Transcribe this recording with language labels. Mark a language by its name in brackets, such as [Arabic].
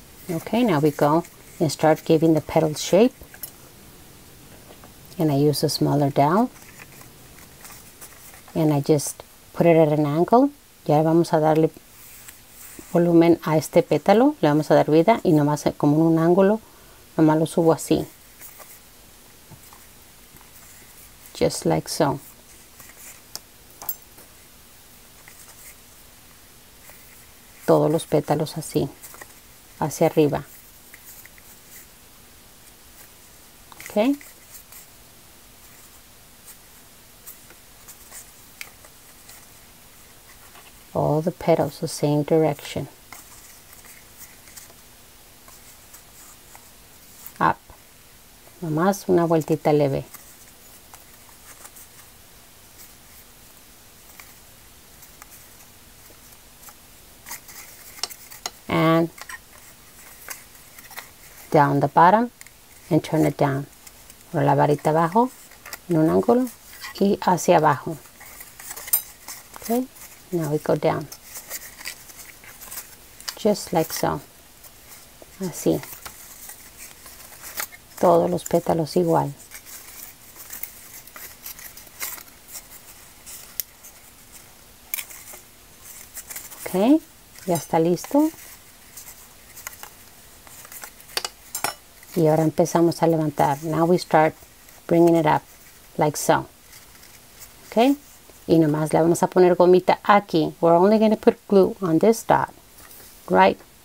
[English] Okay, now we go and start giving the petal shape. And I use a smaller dowel. And I just put it at an angle. [Spanish] Ya vamos a darle volumen a este pétalo. Le vamos a dar vida. Y nomás como en un ángulo, nomás lo subo así. [English] Just like so. [Spanish] Todos los pétalos así. Hacia arriba. [English] Okay. All the petals the same direction. Up. [Spanish] Nomás una vueltita leve. [English] And down the bottom and turn it down. [Spanish] Pon la varita abajo en un ángulo y hacia abajo. [English] Okay, now we go down. Just like so. [Spanish] Así. Todos los pétalos igual. Okay, ya está listo. Y ahora empezamos a levantar. [English] Now we start bringing it up, like so. Okay? [Spanish] Y nomás le vamos a poner gomita aquí. [English] We're only going to put glue on this dot, right?